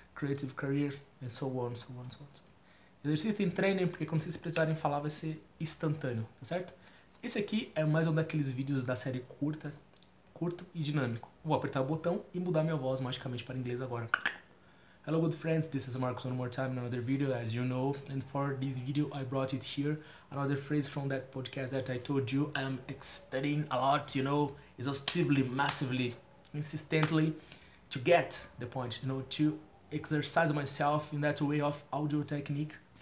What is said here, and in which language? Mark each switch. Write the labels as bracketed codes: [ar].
[en] Creative career and so on, so on, so on. [pt] Exercício em treino, porque quando vocês precisarem falar vai ser instantâneo, tá certo? Esse aqui é mais um daqueles vídeos da série curta, curto e dinâmico. Vou apertar o botão e mudar minha voz magicamente para inglês agora. [en] Hello, good friends, this is Marcos one more time in another video, as you know. And for this video, I brought it here, another phrase from that podcast that I told you I'm studying a lot, you know, exhaustively, massively, insistently, to get the point, you know, to exercise myself in that way of audio technique.